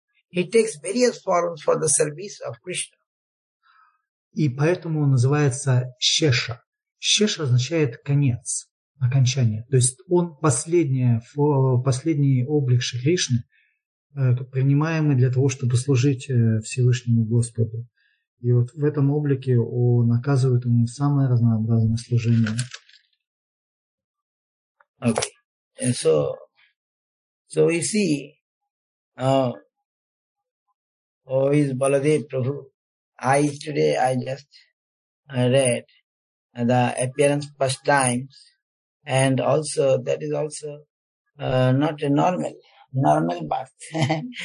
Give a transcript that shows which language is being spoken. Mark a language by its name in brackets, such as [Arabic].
[English] He takes various forms for the service of Krishna. [Russian] И поэтому он называется Шеша. Шеша означает конец. Окончание. То есть он последний облик Шри Кришны, принимаемый для того, чтобы служить Всевышнему Господу. И вот в этом облике он оказывает ему самое разнообразное служение. [English] Okay. And so we see how is Baladev Prabhu. Today I just read the appearance first times. And also, that is also not a normal birth.